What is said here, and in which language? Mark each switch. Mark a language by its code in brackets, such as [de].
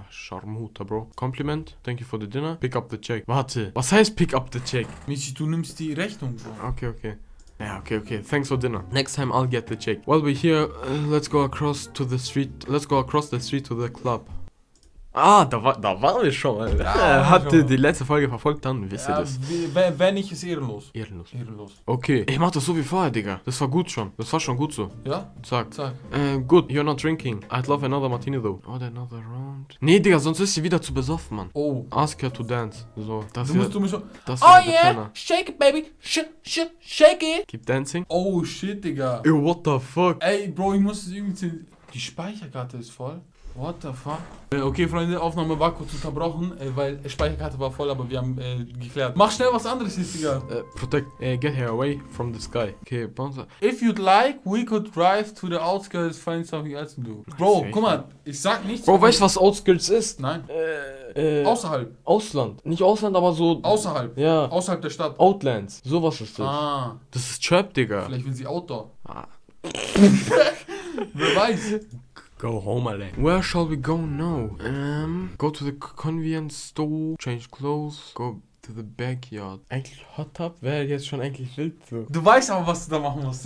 [en] Ah, Scharmuta, Bro. Compliment, thank you for the dinner. Pick up the check. [de] Warte, was heißt [en] pick up the check? [de] Michi, du nimmst die Rechnung, Bro. [en] Okay. Yeah, okay. Thanks for dinner. Next time I'll get the check. While we're here, let's go across the street to the club. [de] Ah, da waren wir schon. Er hatte die letzte Folge verfolgt, dann wisst ihr das. Wenn nicht, ist ehrenlos. Ehrenlos. Ehrenlos. Okay. Ich mach das so wie vorher, Digga. Das war gut schon. Das war schon gut so. Ja? [en] Zack. Gut, you're not drinking. I'd love another Martini though. Order another round. [de] Nee, Digga, sonst ist sie wieder zu besoffen, Mann. Oh. [en] Ask her to dance. So, [de] das ist. Oh [en] yeah! Shake it, baby! Shake it! Keep dancing. Oh shit, Digga. Ey, what the fuck? [de] Ey, Bro, ich muss irgendwie. Die Speicherkarte ist voll. [en] What the fuck? [de] Okay, Freunde, Aufnahme war kurz unterbrochen, weil Speicherkarte war voll, aber wir haben geklärt. Mach schnell was anderes, Hissiger. [en] Protect, get her away from the sky. Okay, bounce. If you'd like, we could drive to the outskirts, find something else to do. [de] Bro, guck mal, ich sag nichts. Bro, weißt du, was Outskirts ist? Nein. Außerhalb. Ausland. Nicht Ausland, aber so... Außerhalb. Ja. Außerhalb der Stadt. Outlands. Sowas ist das. Ah. Das ist Chirp, Digga. Vielleicht will sie Outdoor. Ah. Wer weiß. [en] Go home, Ale. Where shall we go now? Go to the convenience store, change clothes, go to the backyard. [de] Eigentlich Hot Tub wäre jetzt schon eigentlich wild. So. Du weißt aber, was du da machen musst.